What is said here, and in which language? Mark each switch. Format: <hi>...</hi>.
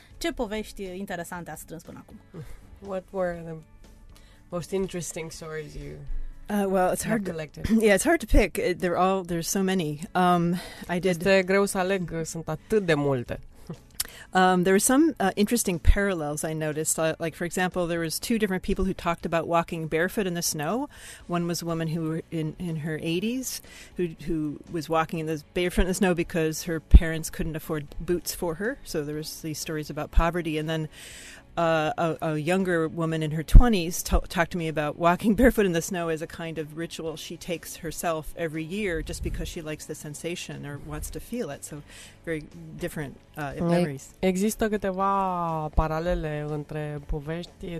<ro>Ce povești interesante ați strâns până acum?</ro> <en>What were the most interesting stories you... Well, it's hard. It's hard to pick. There's so many.</en> <ro>Este greu să aleg, sunt atât de multe.</ro> <en>There were some interesting parallels I noticed. Like, for example, there was two different people who talked about walking barefoot in the snow. One was a woman who in her 80s who was walking in the barefoot in the snow because her parents couldn't afford boots for her. So there was these stories about poverty. And then a younger woman in her 20s talked to me about walking barefoot in the snow as a kind of ritual she takes herself every year just because she likes the sensation or wants to feel it. So very different memories.</en> <ro>Există câteva paralele între povești.</ro>